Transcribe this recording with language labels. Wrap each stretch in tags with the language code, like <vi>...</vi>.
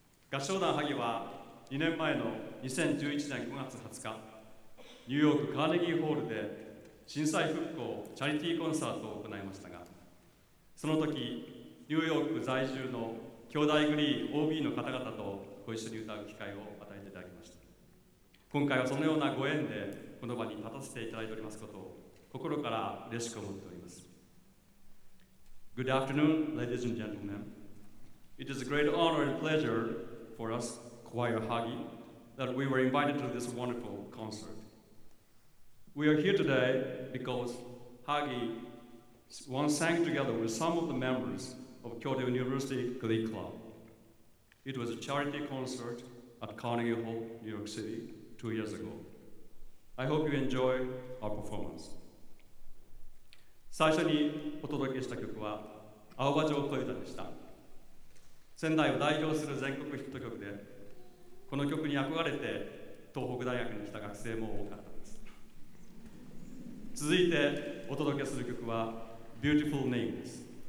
<ja>合唱団萩は2年前の2011年5月20日ニューヨークカーネギーホールで震災復興チャリティーコンサートを行いましたが、その時ニューヨーク在住の兄弟グリー OB の方々とご一緒に歌う機会を与えていただきました。今回はそのようなご縁でこの場に立たせていただいておりますことを心から嬉しく思っております。</ja> <en>Good afternoon, ladies and gentlemen. It is a great honor and pleasure for us, Choir Hagi, that we were invited to this wonderful concert. We are here today because Hagi once sang together with some of the members of Kyoto University Glee Club. It was a charity concert at Carnegie Hall, New York City, 2 years ago. I hope you enjoy our performance.</en> <ja>最初にお届けした曲は青葉城恋歌でした。仙台を代表する全国ヒット曲で、この曲に憧れて東北大学に来た学生も多かったんです。続いてお届けする曲は Beautiful Name です。</ja>